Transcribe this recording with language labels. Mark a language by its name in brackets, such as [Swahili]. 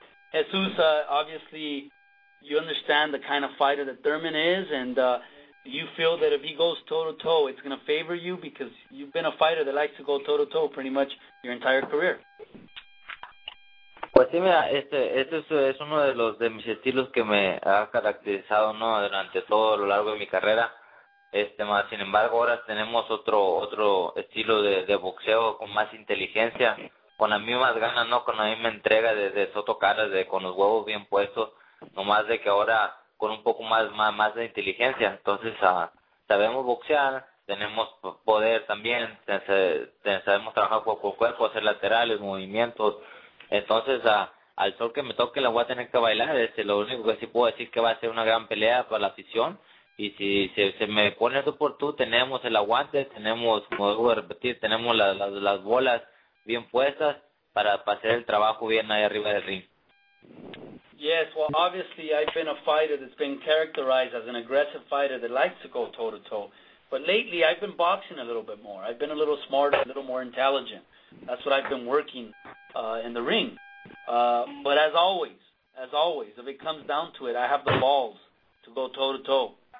[English] Jesus, obviously, you understand the kind of fighter that Thurman is, and you feel that if he goes toe-to-toe, it's going to favor you because you've been a fighter that likes to go toe-to-toe pretty much your entire career. [Spanish] Pues sí, mira, este es uno de mis estilos que me ha caracterizado, ¿no?, durante todo lo largo de mi carrera. Más sin embargo, ahora tenemos otro estilo de boxeo con más inteligencia, con las mismas ganas, ¿no?, con la misma entrega de Soto Carras, con los huevos bien puestos, nomás de que ahora con un poco más de inteligencia. Entonces, sabemos boxear, tenemos poder también, sabemos trabajar cuerpo a cuerpo, hacer laterales, movimientos. Entonces, al sol que me toque, la voy a tener que bailar. Lo único que sí puedo decir que va a ser una gran pelea para la afición. Y si se me pone eso por tú, tenemos el aguante, tenemos, como debo repetir, tenemos las bolas bien puestas para hacer el trabajo bien ahí arriba del ring. [English] Yes, well, obviously, I've been a fighter that's been characterized as an aggressive fighter that likes to go toe-to-toe. But lately, I've been boxing a little bit more. I've been a little smarter, a little more intelligent. That's what I've been working in the ring. But as always, if it comes down to it, I have the balls to go toe-to-toe.